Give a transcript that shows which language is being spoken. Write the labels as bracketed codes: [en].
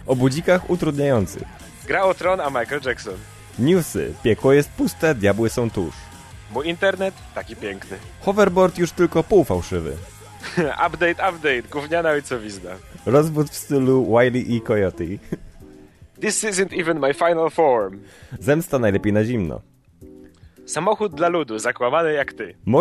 [pl] O budzikach utrudniających. Gra o tron, a Michael Jackson. Newsy. Piekło jest puste, diabły są tuż. Mój internet taki piękny. Hoverboard już tylko pół fałszywy. Update, update, gówniana ojcowizna. Rozwód w stylu Wiley i Coyote. [en] This isn't even my final form. [pl] Zemsta najlepiej na zimno. Samochód dla ludu, zakłamany jak ty.